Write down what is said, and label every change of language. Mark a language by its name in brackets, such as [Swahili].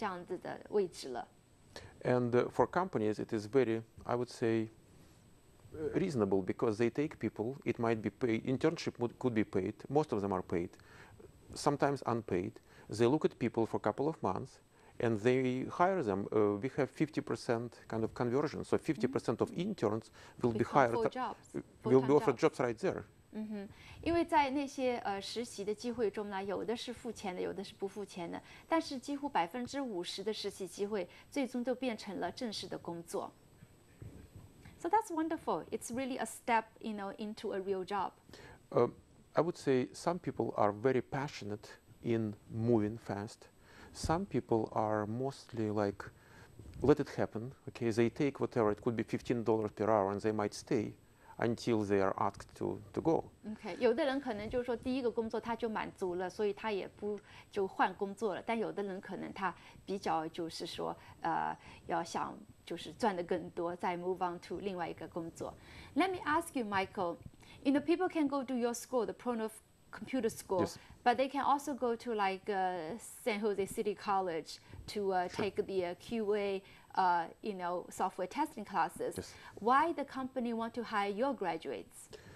[Chinese] 那经过他们的学校大概十年培养出来的学生之后呢，他们那些已经毕业的学生现在已经在公司里面处于是做决策的这样子的位置了。And [English] for companies, it is very, I would say, reasonable because they take people. It might be paid, internship could be paid. Most of them are paid, sometimes unpaid. They look at people for a couple of months. And they hire them. We have 50% kind of conversion, so 50% of interns will be hired. Will be offered jobs right there. [Chinese] 因为在那些实习的机会中呢，有的是付钱的，有的是不付钱的。但是几乎50%的实习机会，最终都变成了正式的工作。 [English] So that's wonderful. It's really a step, you know, into a real job. I would say some people are very passionate in moving fast. Some people are mostly like, let it happen. Okay, they take whatever. It could be $15 per hour, and they might stay until they are asked to go. [Chinese] Okay, 有的人可能就是说第一个工作他就满足了，所以他也不就换工作了。但有的人可能他比较就是说，要想就是赚的更多，再 [English] move on to [Chinese] 另外一个工作。 [English] Let me ask you, Michael. You know, people can go to your school, the Portnov Computer School. Yes. But they can also go to like San Jose City College to take the QA, you know, software testing classes. Yes. Why the company want to hire your graduates?